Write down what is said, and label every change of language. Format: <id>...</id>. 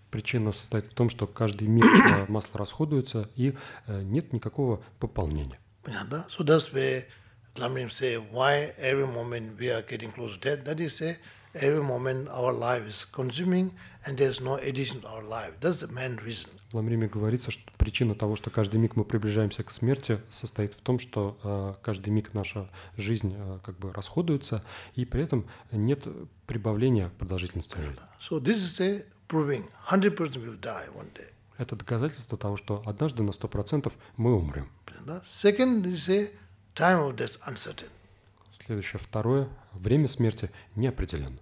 <ru>Причина состоит в том, что каждый миг масло расходуется и нет никакого пополнения. Понятно.</ru> <en>So that's where Lamrim say, why every moment we are getting close to death? That is, every moment our life is consuming, and there's no addition to our life. That's the main reason.</en> <ru>В Ламриме говорится, что причина того, что каждый миг мы приближаемся к смерти, состоит в том, что каждый миг наша жизнь как бы расходуется, и при этом нет прибавления к продолжительности жизни.</ru> <en>So this is a proving 100% we will die one day.</en> <ru>Это доказательство того, что однажды на 100% мы умрем.</ru> <en>Second, they say. Time of death uncertain.</en> <ru>Следующее, второе, время смерти неопределенно.</ru>